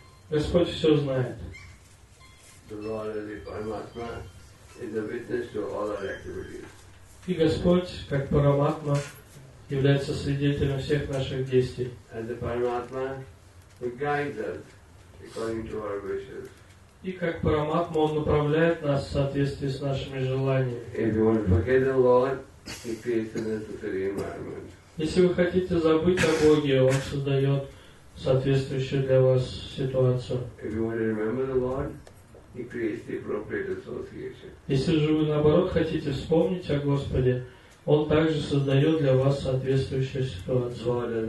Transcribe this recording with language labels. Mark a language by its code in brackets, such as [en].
[ru] Господь все знает. И Господь, как Параматма, является свидетелем всех наших действий. [en] As the Paramatma, He guides us according to our wishes. [ru] И как Параматма, Он направляет нас в соответствии с нашими желаниями. [en] If you want to forget the Lord, He creates a necessary environment. [ru] Если вы хотите забыть о Боге, Он создает соответствующую для вас ситуацию. [en] If you want to remember the Lord, He creates the appropriate association. [ru] Если же вы наоборот хотите вспомнить о Господе, Он также создает для вас соответствующую ситуацию.